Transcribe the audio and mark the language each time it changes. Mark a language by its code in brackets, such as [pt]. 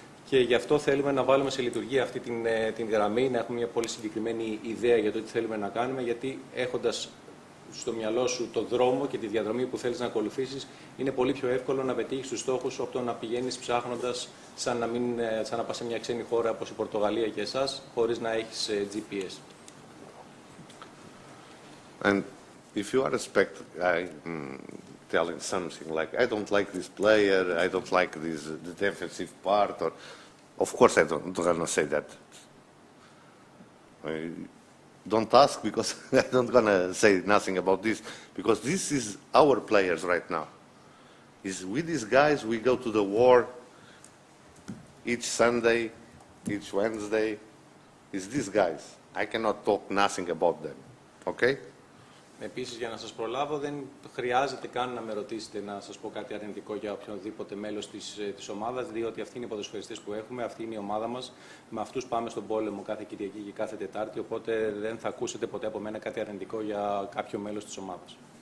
[el] Και γι' αυτό θέλουμε να βάλουμε σε λειτουργία αυτή την γραμμή, να έχουμε μια πολύ συγκεκριμένη ιδέα για το τι θέλουμε να κάνουμε. Γιατί έχοντας στο μυαλό σου το δρόμο και τη διαδρομή που θέλεις να ακολουθήσεις, είναι πολύ πιο εύκολο να πετύχεις τους στόχους από το να πηγαίνεις ψάχνοντας, σαν να πας σε μια ξένη χώρα όπως η Πορτογαλία και εσάς, χωρίς να έχεις GPS. [en] And if you are a spectator, telling something like, I don't like this player, I don't like this the defensive part, or of course I don't want to say that. don't ask because I don't gonna say nothing about this because this is our players right now. Is with these guys we go to the war each Sunday, each Wednesday. It's these guys. I cannot talk nothing about them. Okay? [el] Επίσης, για να σας προλάβω, δεν χρειάζεται καν να με ρωτήσετε να σας πω κάτι αρνητικό για οποιονδήποτε μέλος της ομάδας, διότι αυτοί είναι οι ποδοσφαιριστές που έχουμε, αυτή είναι η ομάδα μας. Με αυτούς πάμε στον πόλεμο κάθε Κυριακή και κάθε Τετάρτη, οπότε δεν θα ακούσετε ποτέ από μένα κάτι αρνητικό για κάποιο μέλος της ομάδας.